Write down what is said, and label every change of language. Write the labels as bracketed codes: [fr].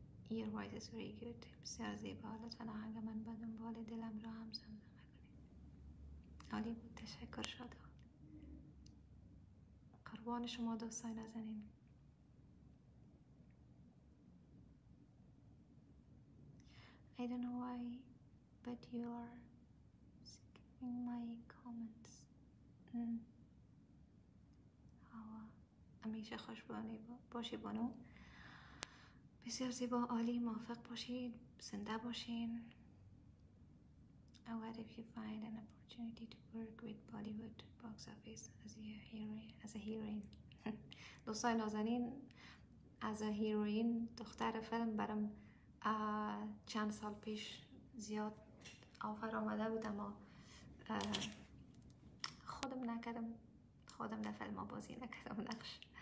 [en] Your voice is very good. [fa] بسیار زیبا. لطفا آهنگ من با دنبال دلم را هم زمزمه کنید. عالی بود. تشکر شاد. قربان شما دوستای نازنین. [en] I don't know why, but you are skipping my comments. [fa] همیشه خوش باشی بانو. بسیار زیبا، عالی، موفق باشید، زنده باشین. [en] What if you find an opportunity to work with Bollywood box office as a heroine? As a heroine. [fa] دوستای نازنین، از هیروین دختر فلم برام چند سال پیش زیاد آفر آمده بود، اما خودم نکردم، خودم در فلم بازی نکردم نقش.